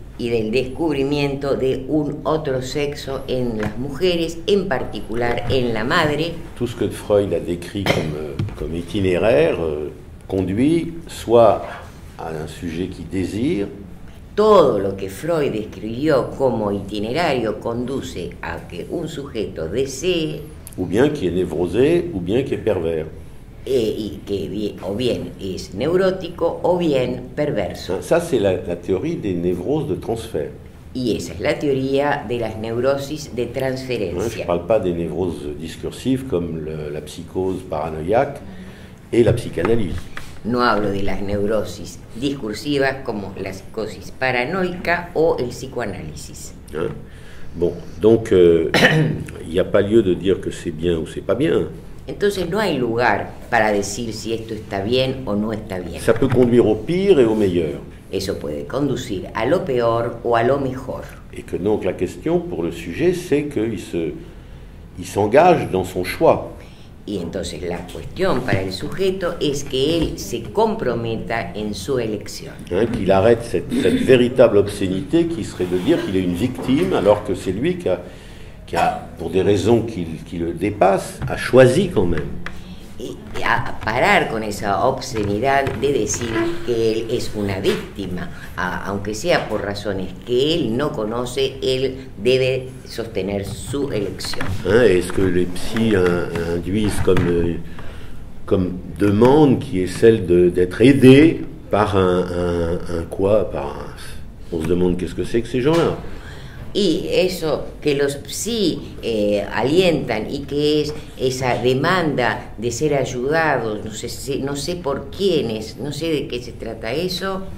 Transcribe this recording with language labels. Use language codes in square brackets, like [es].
[es] Y del descubrimiento de un otro sexo en las mujeres, en particular en la madre. [fr] Tout ce que Freud a décrit comme itinéraire conduit soit à un sujet qui désire. [es] Todo lo que Freud describió como itinerario conduce a que un sujeto desee. [fr] Ou bien qui est névrosé, ou bien qui est pervers. [es] Y que o bien es neurótico o bien perverso. [fr] Ça, c'est la théorie des névroses de transfert. [es] Y esa es la teoría de las neurosis de transferencia. [fr] Je ne parle pas des névroses discursives comme la psychose paranoïaque et la psychanalyse. [es] No hablo de las neurosis discursivas como la psicosis paranoica o el psicoanálisis. Hein? [fr] Bon, donc il n'y a pas lieu de dire que c'est bien ou c'est pas bien. [es] Entonces no hay lugar para decir si esto está bien o no está bien. [fr] Ça peut conduire au pire et au meilleur. [es] Eso puede conducir a lo peor o a lo mejor. [fr] Et que donc la question pour le sujet c'est que il s'engage dans son choix. [es] Y entonces la cuestión para el sujeto es que él se comprometa en su elección. [fr] Hein, qu'il arrête cette véritable obscénité qui serait de dire qu'il est une victime alors que c'est lui qui a, pour des raisons qui le dépassent, a choisi quand même. Et à [es] parar con esa obscenidad de decir que él es una víctima, aunque sea por razones que él no conoce, él debe sostener su elección. [fr] Hein, est-ce que les psys induisent comme demande qui est celle d'être aidé par un quoi par un... On se demande qu'est-ce que c'est que ces gens-là. [es] Y eso que los psi alientan y que es esa demanda de ser ayudados, no sé por quiénes, no sé de qué se trata eso.